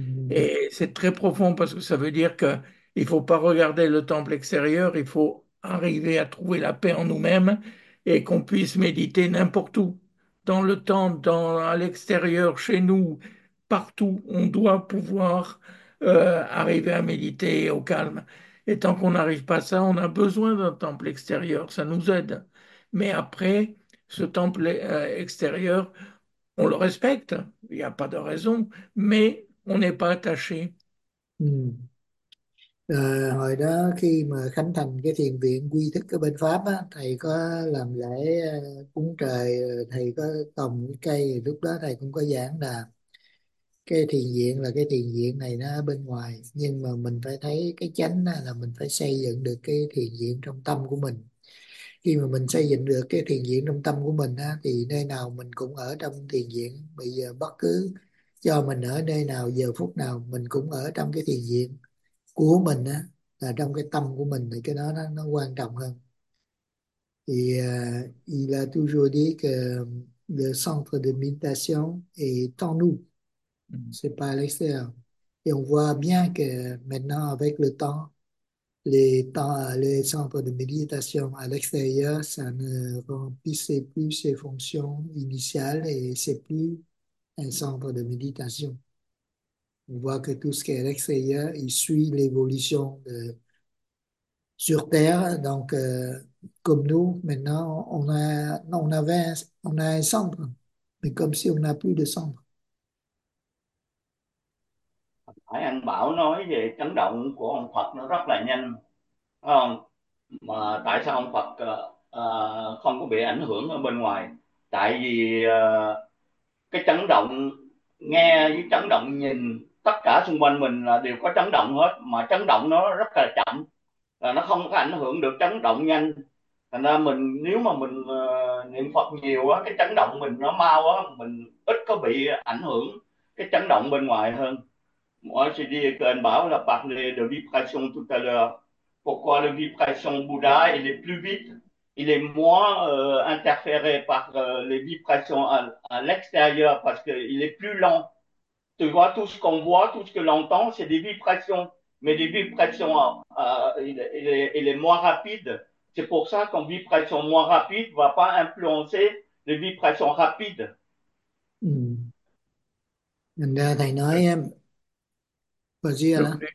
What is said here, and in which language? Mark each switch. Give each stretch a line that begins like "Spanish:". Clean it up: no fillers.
French: Et c'est très profond parce que ça veut dire qu'il ne faut pas regarder le temple extérieur, il faut arriver à trouver la paix en nous-mêmes et qu'on puisse méditer n'importe où, dans le temple, à l'extérieur, chez nous, partout, on doit pouvoir arriver à méditer au calme. Et tant qu'on n'arrive pas à ça, on a besoin d'un temple extérieur, ça nous aide. Mais après, ce temple extérieur, on le respecte, il n'y a pas de raison, mais on n'est pas attaché.
Vietnamese: Hồi đó khi mà khánh thành cái thiền viện quy thức ở bên Pháp á, thầy có làm lễ cúng trời, thầy có trồng cây, lúc đó thầy cũng có giảng là cái thiền viện là cái thiền viện này nó bên ngoài, nhưng mà mình phải thấy cái chánh á, là mình phải xây dựng được cái thiền viện trong tâm của mình. Khi mà mình xây dựng được cái thiền viện trong tâm của mình á, thì nơi nào mình cũng ở trong thiền viện. Bây giờ bất cứ cho mình ở nơi nào, giờ phút nào mình cũng ở trong cái thiền viện của mình á, là trong cái tâm của mình, thì cái đó nó quan trọng hơn. Thì
French: il a toujours dit que le centre de méditation est en nous, c'est pas à l'extérieur. Et on voit bien que maintenant, avec le temps, les centres de méditation à l'extérieur, ça ne remplissait plus ses fonctions initiales et c'est plus un centre de méditation. On voit que tout ce qui est à l'extérieur, il suit l'évolution sur Terre. Donc, comme nous, maintenant, on a un centre, mais comme si on n'a plus de centre.
Vietnamese: Phải anh Bảo nói về chấn động của ông Phật nó rất là nhanh, phải không? Mà tại sao ông Phật không có bị ảnh hưởng ở bên ngoài? Tại vì cái chấn động nghe với chấn động nhìn, tất cả xung quanh mình là đều có chấn động hết, mà chấn động nó rất là chậm, là nó không có ảnh hưởng được chấn động nhanh. Thành ra mình nếu mà mình niệm Phật nhiều á, cái chấn động mình nó mau á, mình ít có bị ảnh hưởng cái chấn động bên ngoài hơn.
French: Moi, je dis qu'un bar, la parlé de vibration tout à l'heure. Pourquoi la vibration Bouddha, il est plus vite, il est moins interféré par les vibrations à l'extérieur parce qu'il est plus lent. Tu vois, tout ce qu'on voit, tout ce que l'on entend, c'est des vibrations, mais des vibrations, il est moins rapide. C'est pour ça qu'une vibration moins rapide va pas influencer les vibrations rapides.
Vietnamese: Thành ra thầy nói em và là